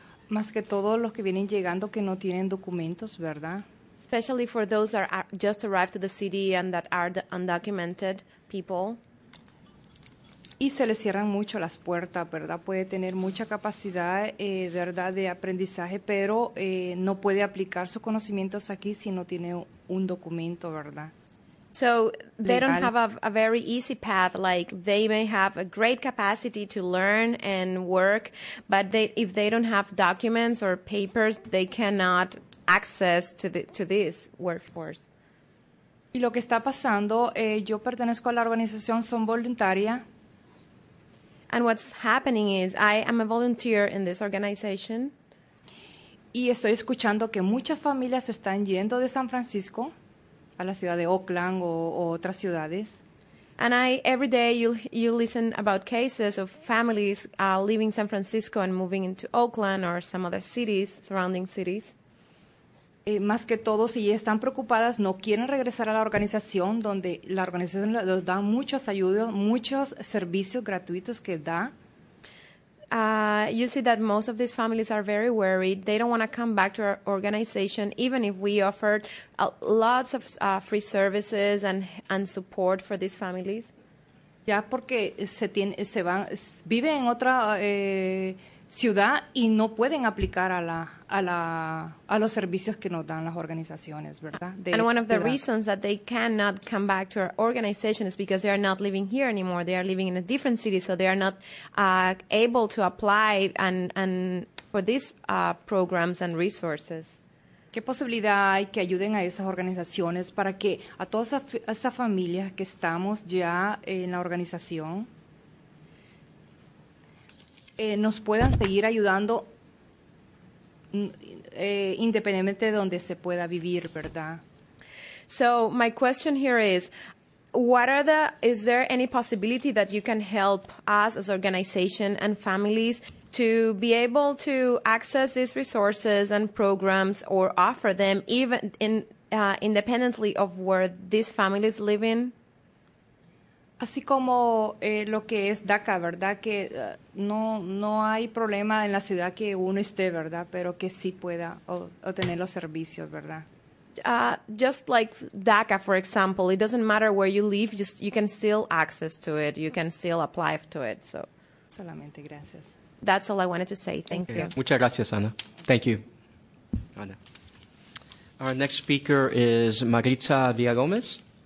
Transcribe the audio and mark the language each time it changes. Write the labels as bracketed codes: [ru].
[es] Más que todos los que vienen llegando que no tienen documentos, ¿verdad? [en] Especially for those that are just arrived to the city and that are the undocumented people. [es] Y se les cierran mucho las puertas, ¿verdad? Puede tener mucha capacidad, ¿verdad?, de aprendizaje, pero no puede aplicar sus conocimientos aquí si no tiene un documento, ¿verdad? [en] So they don't have a very easy path. Like, they may have a great capacity to learn and work, but if they don't have documents or papers, they cannot access to this workforce. [es] Y lo que está pasando, yo pertenezco a la organización, son voluntaria. [en] And what's happening is I am a volunteer in this organization. [es] Y estoy escuchando que muchas familias están yendo de San Francisco a la ciudad de Oakland o otras ciudades. [en] And every day you listen about cases of families leaving San Francisco and moving into Oakland or some other cities, surrounding cities. [es] Más que todo, si están preocupadas, no quieren regresar a la organización, donde la organización les da muchos ayudas, muchos servicios gratuitos que da. [en] You see that most of these families are very worried. They don't want to come back to our organization, even if we offered lots of free services and support for these families. [es] Ya porque viven en otra ciudad y no pueden aplicar a los servicios que nos dan las organizaciones, ¿verdad? [en] And one of the reasons that they cannot come back to our organization is because they are not living here anymore. They are living in a different city, so they are not able to apply and for these programs and resources. [es] ¿Qué posibilidad hay que ayuden a esas organizaciones para que a todas esas familias que estamos ya en la organización nos puedan seguir ayudando independientemente de donde se pueda vivir, ¿verdad? [en] So my question here is, is there any possibility that you can help us as organization and families to be able to access these resources and programs or offer them even independently of where these families live in? [es] Así como lo que es DACA, ¿verdad? Que no hay problema en la ciudad que uno esté, ¿verdad? Pero que sí pueda obtener los servicios, ¿verdad? [en] Just like DACA, for example, it doesn't matter where you live, just you can still access to it, you can still apply to it. So. [es] Solamente gracias. [en] That's all I wanted to say. Thank you. [es] Muchas gracias, Ana. [en] Thank you, Ana. Our next speaker is Maritza Villagomez.